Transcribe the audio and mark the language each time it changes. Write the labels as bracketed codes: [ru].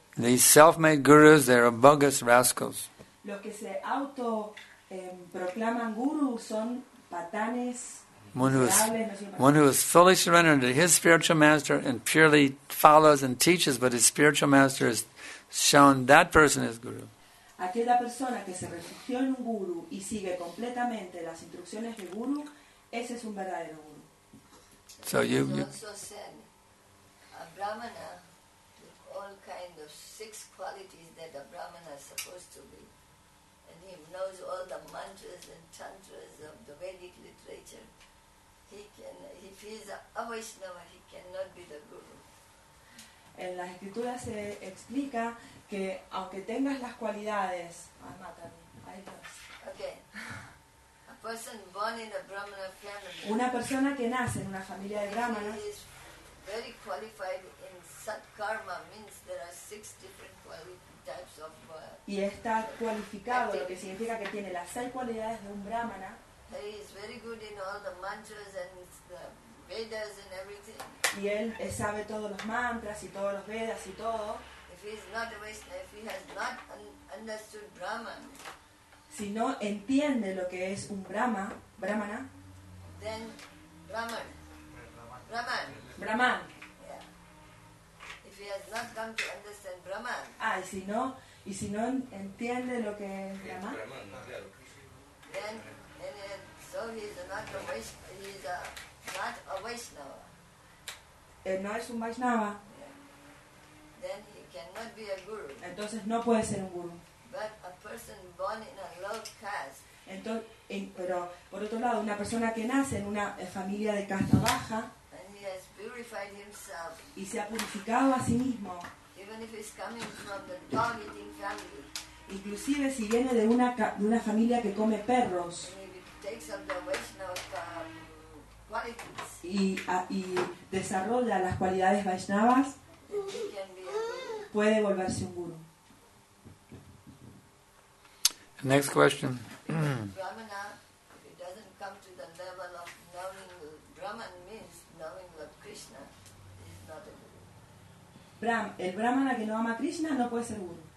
[en] These self-made gurus, they are bogus rascals. [es] Los que se auto proclaman guru son patanes. [en] One who is fully surrendered to his spiritual master and purely follows and teaches what his spiritual master has shown, that person is guru. [es] Aquella persona que se refugió en un guru y sigue completamente las instrucciones del guru, ese es un verdadero guru. [en] So you, it is also said, a brahmana, all kind of six qualities that a brahmana is supposed to be, and he knows all the mantras and tantras of the Vedic literature, if he is a Vaishnava, he cannot be the guru. [es] En las escrituras se explica que aunque tengas las cualidades, [en] okay. Person born in a Brahmana family, [es] una persona que nace en una familia de brahmanas, [en] he is very qualified in satkarma, means there are six different types of [es] y está cualificado, lo que significa que tiene las seis cualidades de un brahmana. [en] He is very good in all the mantras and the Vedas and everything. [es] Y él sabe todos los mantras y todos los Vedas y todo. [en] If he is not a Vaishnava, if he has not understood Brahman, [es] si no entiende lo que es un brahma, brahmana, [en] then brahman, brahman, brahman. Yeah. If he has not come to understand brahman, [es] y si no entiende lo que es brahman, [en] then so he is not a Vaishnava, he is a, not a Vaishnava. [es] Él no es un Vaishnava. [en] Yeah. Then he cannot be a guru. [es] Entonces no puede ser un guru. [en] But a person born in a low caste. [es] Pero por otro lado, una persona que nace en una familia de casta baja. [en] And he has purified himself. [es] Y se ha purificado a sí mismo. [en] Even if he's coming from the dog-eating family. [es] Inclusive si viene de una familia que come perros. [en] And he takes up the Vaishnava qualities. [es] Y desarrolla las cualidades Vaishnavas. [en] He can be a guru. [es] Puede volverse un guru. [en] Next question. Brahmana, if he doesn't come to the level of knowing Brahman means knowing Lord Krishna, he's not a guru. [es] El Brahmana que no ama a Krishna no puede ser guru.